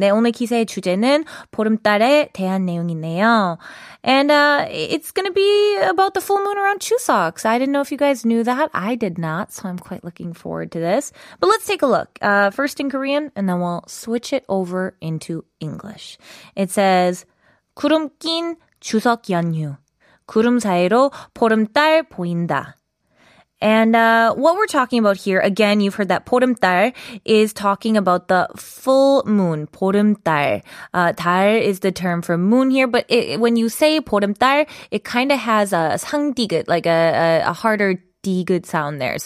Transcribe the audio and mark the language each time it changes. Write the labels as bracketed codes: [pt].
[ko] 네, 오늘 기사의 주제는 보름달에 대한 내용이네요. [en] And it's going to be about the full moon around Chuseok. I didn't know if you guys knew that. I did not, so I'm quite looking forward to this. But let's take a look. First in Korean, and then we'll switch it over into English. It says, [ko] 구름 낀 추석 연휴. 구름 사이로 보름달 보인다. [en] And what we're talking about here, again, you've heard that 보름달 is talking about the full moon, 보름달. 달 is the term for moon here, but it, when you say 보름달, it kind of has a 상디귿, like a harder D good sound there.